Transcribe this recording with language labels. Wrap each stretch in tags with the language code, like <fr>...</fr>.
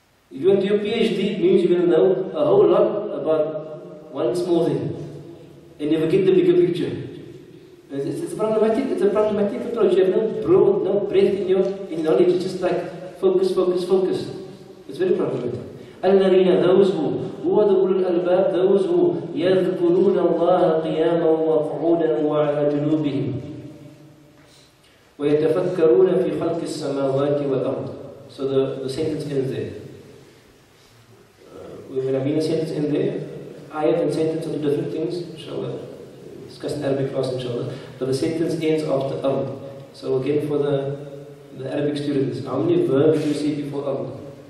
<en>If you want your PhD, it means you're going to know a whole lot about one small thing and never get the bigger picture. It's a problematic approach. You have no broad, no breadth in knowledge. It's just like focus, focus, focus. It's very problematic. Al-Narina, those who are the Ulul Albab, those who</en> <ar>يَذْكُرُونَ اللَّهَ قِيَامًا وَقْعُودًا وَعَلَى جُنُوبِهِمْ وَيَتَفَكَّرُونَ فِي خَلْقِ السَّمَاوَاتِ وَالْأَرْضِ.</ar> <en>So the sentence ends there. When I mean a sentence ends there, ayat and sentence are two different things, inshallah. We'll discuss in Arabic class, inshallah. But the sentence ends after أرض. So again, for the Arabic students, how many verbs do you see before أرض?</en>